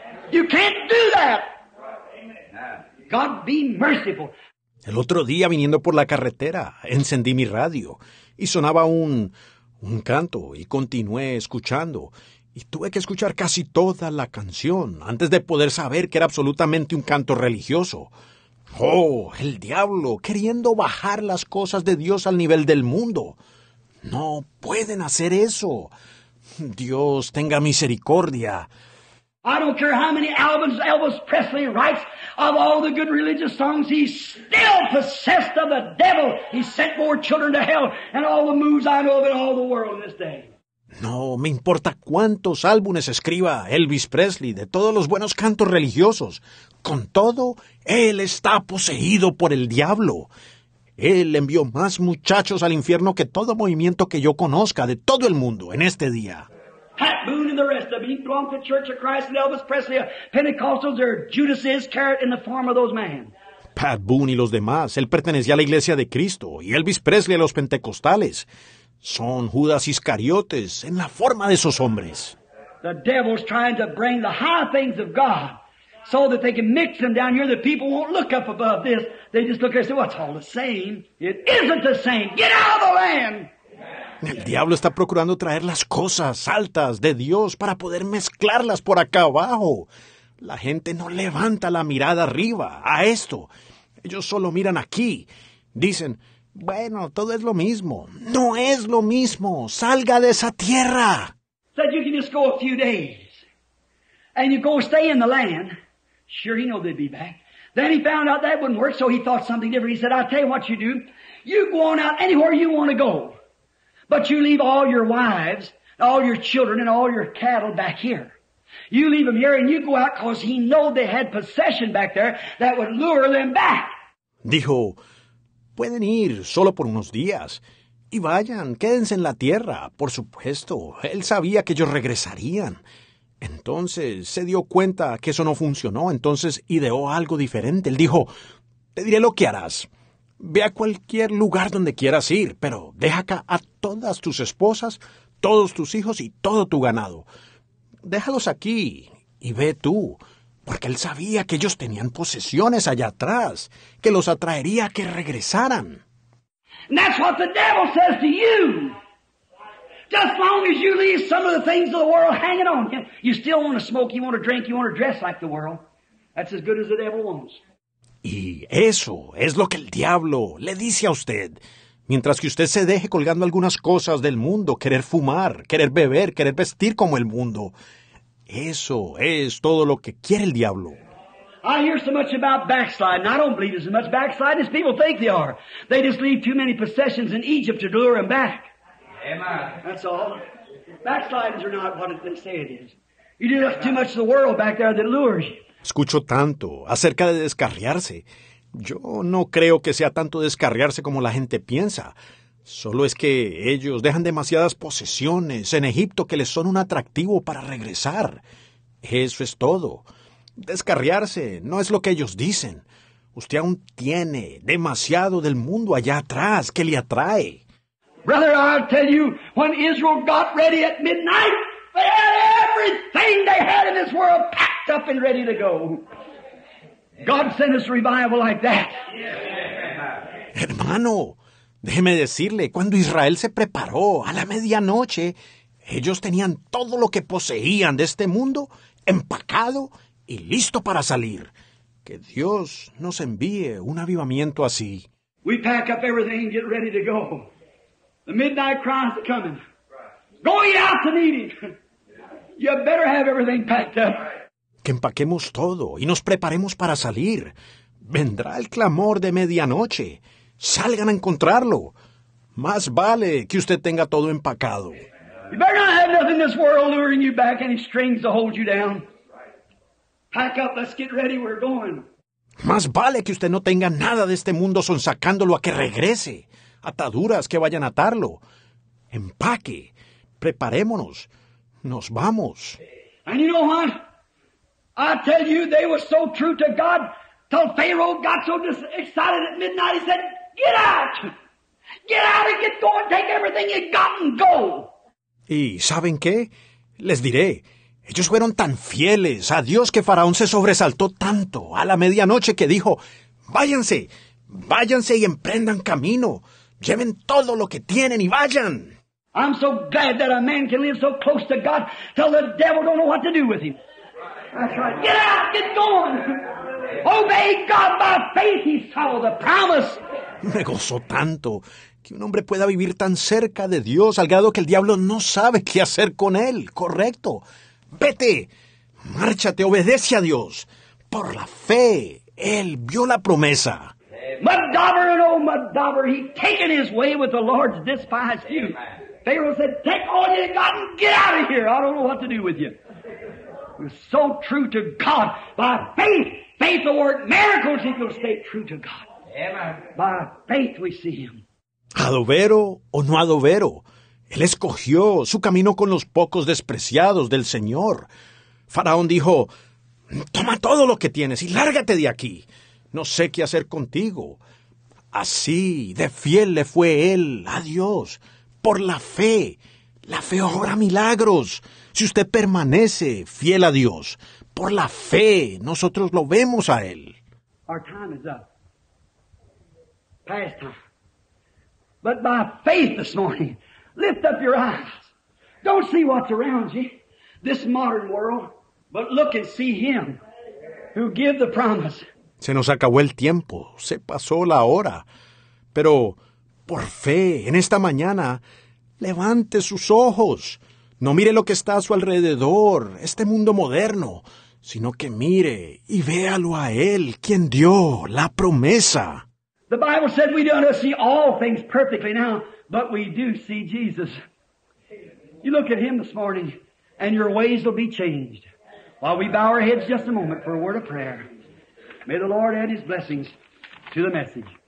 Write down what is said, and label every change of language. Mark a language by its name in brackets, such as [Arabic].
[English] You can't do that. God be merciful. [Spanish] El otro día, viniendo por la carretera, encendí mi radio y sonaba un canto y continué escuchando. Y tuve que escuchar casi toda la canción antes de poder saber que era absolutamente un canto religioso. ¡Oh, el diablo queriendo bajar las cosas de Dios al nivel del mundo! ¡No pueden hacer eso! ¡Dios tenga misericordia! [English] I don't care how many albums Elvis Presley writes of all the good religious songs, he's still possessed of the devil. He sent more children to hell and all the moves I know of in all the world in this day. [Spanish] No me importa cuántos álbumes escriba Elvis Presley de todos los buenos cantos religiosos. Con todo, él está poseído por el diablo. Él envió más muchachos al infierno que todo movimiento que yo conozca de todo el mundo en este día. [English] Pat Boone and the rest of them belong to the Church of Christ and Elvis Presley, Pentecostals, or Judas Iscariot in the form of those men. [Spanish] Pat Boone y los demás, él pertenecía a la Iglesia de Cristo y Elvis Presley a los pentecostales. Son Judas Iscariotes en la forma de esos hombres. [English] The devil's trying to bring the high things of God so that they can mix them down here. The people won't look up above this. They just look and say, well, it's all the same. It isn't the same. Get out of the land. [Spanish] El diablo está procurando traer las cosas altas de Dios para poder mezclarlas por acá abajo. La gente no levanta la mirada arriba a esto. Ellos solo miran aquí. Dicen, bueno, todo es lo mismo. No es lo mismo. Salga de esa tierra. [English] Said you can just go a few days and you go stay in the land. Sure, he knew they'd be back. Then he found out that wouldn't work, so he thought something different. He said, I'll tell you what you do. You go on out anywhere you want to go. But you leave all your wives, all your children, and all your cattle back here. You leave them here and you go out because he knew they had possession back there that would lure them back. [Spanish] Dijo, pueden ir solo por unos días. Y vayan, quédense en la tierra. Por supuesto, él sabía que ellos regresarían. Entonces, se dio cuenta que eso no funcionó. Entonces, ideó algo diferente. Él dijo, te diré lo que harás. Ve a cualquier lugar donde quieras ir, pero deja acá a todas tus esposas, todos tus hijos y todo tu ganado. Déjalos aquí y ve tú, porque él sabía que ellos tenían posesiones allá atrás, que los atraería a que regresaran. [English] And that's what the devil says to you. Just as long as you leave some of the things of the world hanging on him, you still want to smoke, you want to drink, you want to dress like the world. That's as good as the devil wants. [Spanish] Y eso es lo que el diablo le dice a usted. Mientras que usted se deje colgando algunas cosas del mundo, querer fumar, querer beber, querer vestir como el mundo, eso es todo lo que quiere el diablo. [English] I hear so much about backsliding. I don't believe there's as much backsliding as people think they are. They just leave too many possessions in Egypt to lure them back. Amen. That's all. Backsliders are not what they say it is. You do too much of the world back there that lures you. [Spanish] Escucho tanto acerca de descarriarse. Yo no creo que sea tanto descarriarse como la gente piensa. Solo es que ellos dejan demasiadas posesiones en Egipto que les son un atractivo para regresar. Eso es todo. Descarriarse no es lo que ellos dicen. Usted aún tiene demasiado del mundo allá atrás que le atrae. [English] Brother, I'll tell you, when Israel got ready at midnight, they had everything they had in this world packed up and ready to go. God sent us revival like that. [Spanish] Hermano, déjeme decirle, cuando Israel se preparó a la medianoche, ellos tenían todo lo que poseían de este mundo empacado y listo para salir. Que Dios nos envíe un avivamiento así. [English] We pack up everything and get ready to go. The midnight cry is coming. Go ye out to meet him. You better have everything packed up. [Spanish] Que empaquemos todo y nos preparemos para salir. Vendrá el clamor de medianoche. Salgan a encontrarlo. Más vale que usted tenga todo empacado. [English] You better not have nothing in this world luring you back, any strings to hold you down. Pack up, let's get ready, we're going. [Spanish] Más vale que usted no tenga nada de este mundo sonsacándolo a que regrese. Ataduras que vayan a atarlo. Empaque. Preparémonos. Nos vamos. [English] And you know what? I tell you, they were so true to God, till Pharaoh got so excited at midnight, he said, get out! Get out and get going, take everything you got and go! [Spanish] ¿Y saben qué? Les diré, ellos fueron tan fieles a Dios que Faraón se sobresaltó tanto a la medianoche que dijo, váyanse, váyanse y emprendan camino, lleven todo lo que tienen y vayan. [English] I'm so glad that a man can live so close to God till the devil don't know what to do with him. That's right. Get out, get going. Obey God by faith, he saw the promise. [Spanish] Me gozó tanto que un hombre pueda vivir tan cerca de Dios al grado que el diablo no sabe qué hacer con él. Correcto. Vete, márchate, obedece a Dios. Por la fe, él vio la promesa. [English] Madaber and oh, Madaber, he taken his way with the Lord's despised you. Pharaoh said, take all you got and get out of here. I don't know what to do with you. You're so true to God. By faith, faith will work miracles if you'll stay true to God. Amen. By faith we see him. [Spanish] Adobero o no adobero, él escogió su camino con los pocos despreciados del Señor. Faraón dijo, toma todo lo que tienes y lárgate de aquí. No sé qué hacer contigo. Así de fiel le fue él a Dios. Por la fe obra milagros. Si usted permanece fiel a Dios, por la fe, nosotros lo vemos a Él. [English] Our time is up. Past time. But by faith this morning, lift up your eyes. Don't see what's around you, this modern world, but look and see Him who gave the promise. [Spanish] Se nos acabó el tiempo, se pasó la hora, pero por fe, en esta mañana, levante sus ojos. No mire lo que está a su alrededor, este mundo moderno, sino que mire y véalo a Él, quien dio la promesa. [English] The Bible said we don't see all things perfectly now, but we do see Jesus. You look at Him this morning, and your ways will be changed. While we bow our heads just a moment for a word of prayer, may the Lord add His blessings to the message.